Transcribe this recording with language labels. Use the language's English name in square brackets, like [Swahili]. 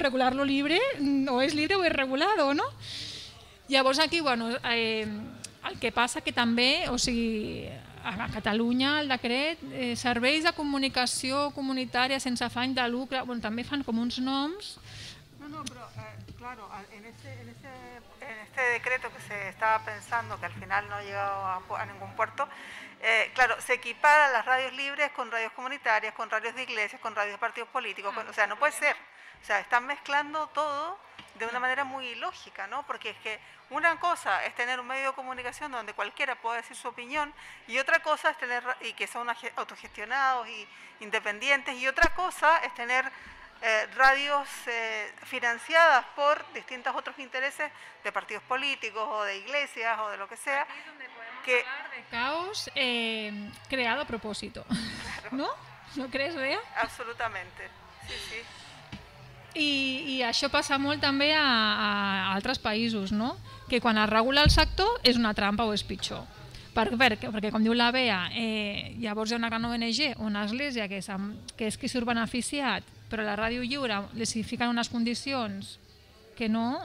[Catalan] Regular-lo lliure, o és lliure o és regulado, no? Llavors, aquí, bueno, el que passa que també, o sigui, a Catalunya el decret, serveis de comunicació comunitària sense afany de lucre, bueno, també fan com uns noms... [Spanish] No, però, claro, en este decreto que se estaba pensando, que al final no ha llegado a ningún puerto, Claro, se equipara las radios libres con radios comunitarias, con radios de iglesias, con radios de partidos políticos, con, o sea, no puede ser. O sea, están mezclando todo de una manera muy ilógica, ¿no? Porque es que una cosa es tener un medio de comunicación donde cualquiera puede decir su opinión y otra cosa es tener, y que son autogestionados y independientes, y otra cosa es tener radios financiadas por distintos otros intereses de partidos políticos o de iglesias o de lo que sea. Aquí es donde podemos que, hablar de caos creado a propósito, claro. ¿No? ¿No crees, Bea? Absolutamente, sí, sí. [Catalan] I això passa molt també a altres països, no? Que quan es regula el sector és una trampa o és pitjor. Perquè com diu la Bea, llavors hi ha una gran ONG, una església, que és qui surt beneficiat, però la ràdio lliure li fiquen unes condicions que no...